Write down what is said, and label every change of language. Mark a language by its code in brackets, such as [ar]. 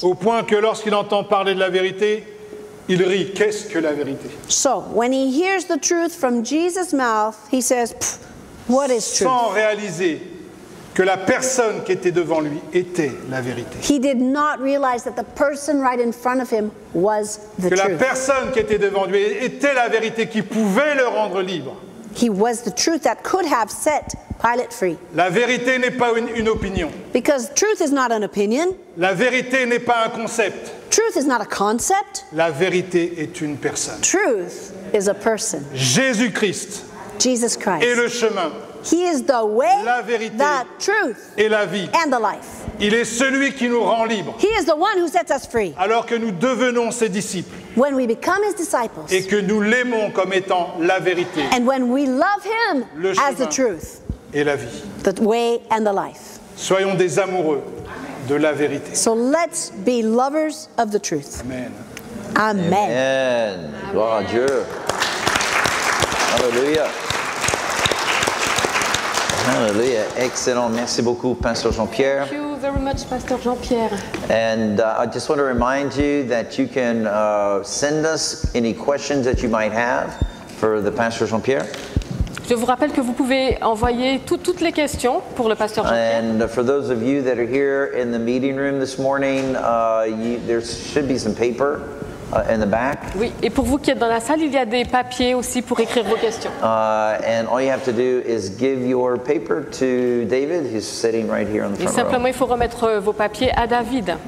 [fr] Au point que lorsqu'il entend parler de la vérité, il rit. Qu'est-ce que la vérité? [en] So, when he hears the truth from Jesus' mouth, he says, what is truth? [fr] Sans réaliser que la personne qui était devant lui était la vérité. [en] He did not realize that the person right in front of him was the truth. [fr] Que la personne qui était devant lui était la vérité qui pouvait le rendre libre. [en] He was the truth that could have set Pilate free. [fr] La vérité n'est pas une opinion. [en] Because truth is not an opinion. [fr] La vérité n'est pas un concept. [en] Truth is not a concept. [fr] La vérité est une personne. [en] Truth is a person. [fr] Jésus-Christ. [en] Jesus Christ. [fr] Et le chemin. [en] He is the way, [fr] la vérité, [en] the truth, [fr] et la vie. [en] And the life. [fr] Il est celui qui nous rend libres. [en] He is the one who sets us free. [fr] Alors que nous devenons ses disciples. [en] When we become his disciples. [fr] Et que nous l'aimons comme étant la vérité. [en] And when we love him as the truth. [fr] Et la vie. [en] The way and the life. [fr] Soyons des amoureux de la vérité. [en] So let's be lovers of the truth. [fr] Amen. Amen. Amen. Gloire à Dieu. Alléluia. Alléluia, excellent. Merci beaucoup, Pasteur Jean-Pierre. [en] Thank you very much, Pasteur Jean-Pierre. And I just want to remind you that you can send us any questions that you might have for the Pasteur Jean-Pierre. [fr] Je vous rappelle que vous pouvez envoyer toutes les questions pour le Pasteur Jean-Pierre. [en] And for those of you that are here in the meeting room this morning, there should be some paper. In the back. [fr] Oui, et pour vous qui êtes dans la salle, il y a des papiers aussi pour écrire vos questions. [en] And all you have to do is give your paper to David, who's sitting right here on the front row. [fr] Et simplement, il faut remettre vos papiers à David.